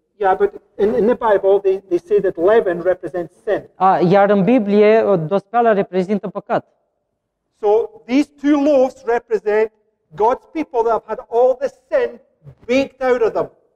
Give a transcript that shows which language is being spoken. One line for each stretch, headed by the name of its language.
English: Yeah, but in the Bible they say that leaven represents sin.
Romanian: Iar în Biblie dospeala reprezintă păcat.
English: So these two loaves represent God's people that have had all the sin baked out of them.